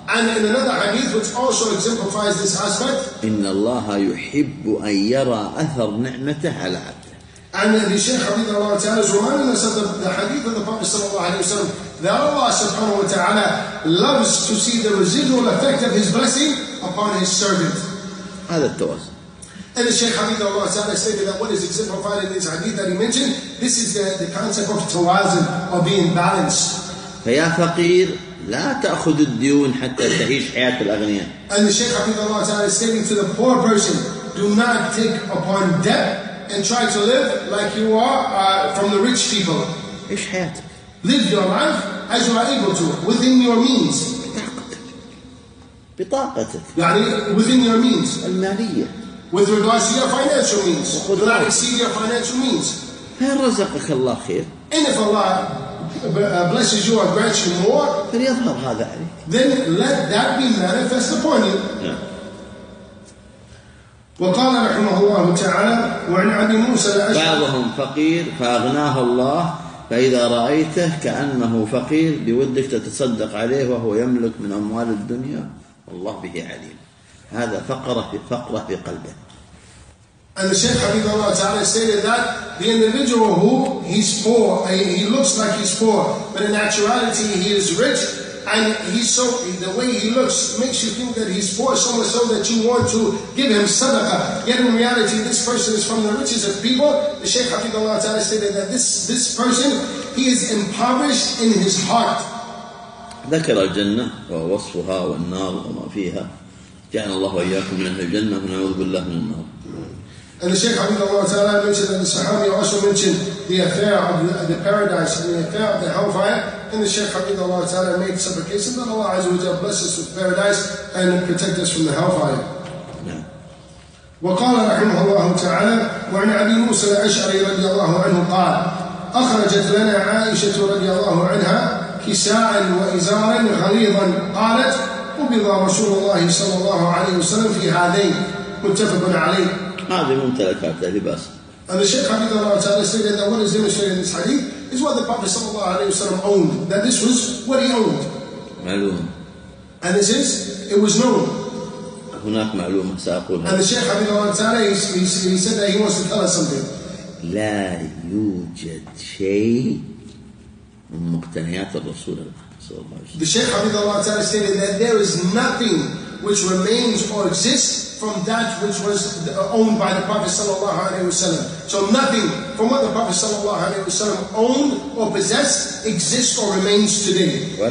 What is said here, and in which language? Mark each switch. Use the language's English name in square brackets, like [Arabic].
[English] And in another hadith which also exemplifies this aspect. [Arabic] إن الله يحب أن يرى أثر نعمته على عبده. [English] And the Shaykh Hafidh Allah Ta'ala is reminding us of the hadith of the Prophet sallallahu alayhi wa sallam that Allah subhanahu wa ta'ala loves to see the residual effect of his blessing upon his servant. [Arabic] هذا التواصل. [English] And the Shaykh Hafidh Allah Ta'ala stated that what is exemplified in this hadith that he mentioned, this is the concept of tawazun, of being balanced. [Arabic] فيا فقير لا تأخذ الديون حتى تعيش حياة الأغنياء. [English] And the Shaykh Hafidh Allah Ta'ala is saying to the poor person, do not take upon debt and try to live like you are from the rich people. [Arabic] عيش حياتك. [English] Live your life as you are able to, within your means. [Arabic] بطاقتك. [English] يعني within your means. [Arabic] المالية. [English] With regards to your financial means. Do not exceed your financial means. [Arabic] فين رزقك الله خير. [English] And if Allah blesses you or grants you more, then let that be manifest upon you. [Arabic] وقال رحمه الله تعالى وعن أبي موسى بعضهم فقير فأغناه الله فإذا رأيته كأنه فقير بودك تتصدق عليه وهو يملك من أموال الدنيا والله به عليم. هذا فقرة في فقرة في قلبه. [English] And the Shaykh Hafidh Allah Ta'ala stated that the individual who he's poor, he looks like he's poor, but in actuality he is rich, and he's so the way he looks makes you think that he's poor so much so that you want to give him sadaqah. Yet in reality this person is from the richest of people. The Shaykh Hafidh Allah Ta'ala stated that this person he is impoverished in his heart. [Arabic] ذكر الجنة ووصفها والنار وما فيها. جعل الله وإياكم من الجنة ونعوذ بالله من النار. [English] And the Shaykh Habibullah Ta'ala mentioned that the Sahabi also mentioned the affair of the paradise and the affair of the hellfire. And the Shaykh Habibullah Ta'ala made supplication that Allah Azza wa Jalla bless us with paradise and protect us from the hellfire. [Arabic] وقال رحمه الله تعالى وعن أبي موسى الأشعري رضي الله عنه قال أخرجت لنا عائشة رضي الله عنها كساء وإزارا غليظا قالت قبض رسول الله صلى الله عليه وسلم في هذين متفق عليه. هذه ممتلكات لباس. [English] And the Shaykh Habib Allah Ta'ala stated that what is demonstrated in this hadith is what the Prophet [Arabic] صلى الله عليه وسلم [English] owned, that this was what he owned. [Arabic] معلوم. [English] And this is, it was known. [Arabic] هناك معلومة سأقولها. [English] And the Shaykh Habib Allah Ta'ala, he said that he wants to tell us something. [Arabic] لا يوجد شيء من مقتنيات الرسول صلى الله عليه وسلم. [English] The Shaykh Habib Allah Ta'ala stated that there is nothing which remains or exists from that which was owned by the Prophet sallallahu alaihi wasallam. So nothing from what the Prophet sallallahu alaihi wasallam owned or possessed exists or remains today.